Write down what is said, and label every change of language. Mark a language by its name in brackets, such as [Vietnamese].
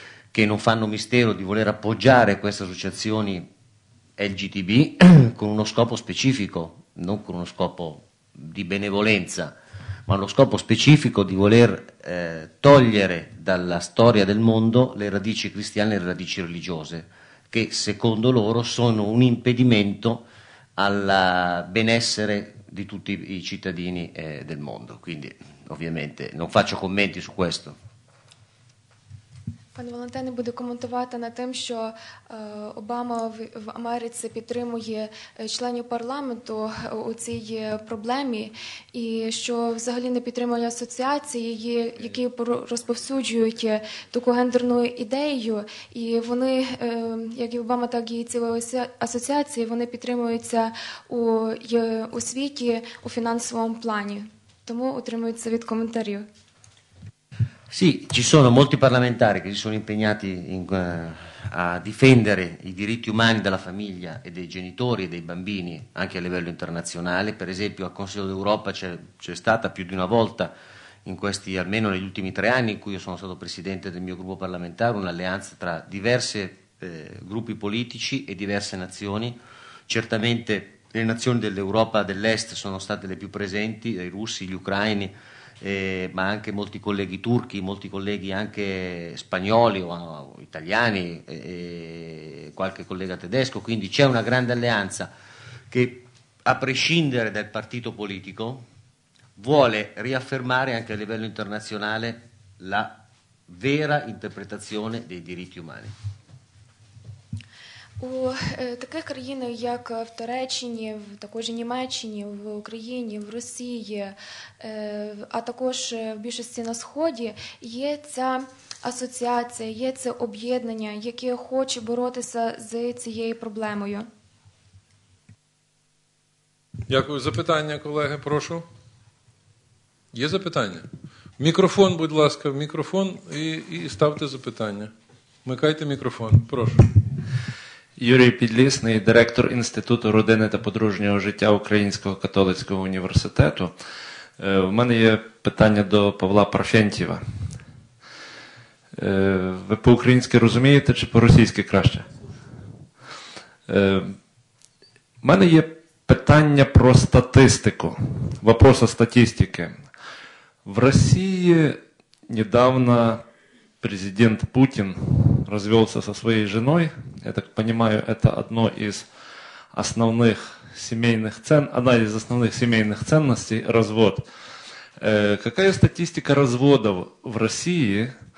[Italian] che non fanno mistero di voler appoggiare queste associazioni LGTB con uno scopo specifico, non con uno scopo di benevolenza, ma lo scopo specifico di voler togliere dalla storia del mondo le radici cristiane e le radici religiose, che secondo loro sono un impedimento al benessere di tutti i cittadini del mondo. Quindi ovviamente non faccio commenti su questo. [Ukrainian] Пан Валентин буде коментувати на тим, що Обама в Америці підтримує членів парламенту у цій проблемі, і що взагалі не підтримує асоціації, які розповсюджують таку гендерну ідею, і вони, як і Обама, так і ці асоціації, вони підтримуються у світі у фінансовому плані. Тому утримуються від коментарів. [Italian] Sì, ci sono molti parlamentari che si sono impegnati a difendere i diritti umani della famiglia e dei genitori e dei bambini anche a livello internazionale. Per esempio al Consiglio d'Europa c'è stata più di una volta in questi, almeno negli ultimi 3 anni in cui io sono stato presidente del mio gruppo parlamentare, un'alleanza tra diversi gruppi politici e diverse nazioni. Certamente le nazioni dell'Europa dell'Est sono state le più presenti, i russi, gli ucraini, ma anche molti colleghi turchi, molti colleghi anche spagnoli o italiani, qualche collega tedesco. Quindi c'è una grande alleanza che, a prescindere dal partito politico, vuole riaffermare anche a livello internazionale la vera interpretazione dei diritti umani. [Ukrainian] У таких країнах, як в Туреччині, в також Німеччині, в Україні, в Росії, а також в більшості на Сході, є ця асоціація, є це об'єднання, яке хоче боротися з цією проблемою. Дякую за питання, колеги, прошу. Є запитання? Мікрофон, будь ласка, мікрофон і ставте запитання. Вмикайте мікрофон, прошу. Юрій Підлісний, директор Інституту родини та подружнього життя Українського католицького університету. У мене є питання до Павла Парфєнтєва. Ви по-українськи розумієте чи по-російськи краще? У мене є питання про статистику, [Russian] вопроса статистики. В Росії недавно президент Путін развелся со своей женой. Я так понимаю, это одно из основных семейных ценностей – развод. Какая статистика разводов в России?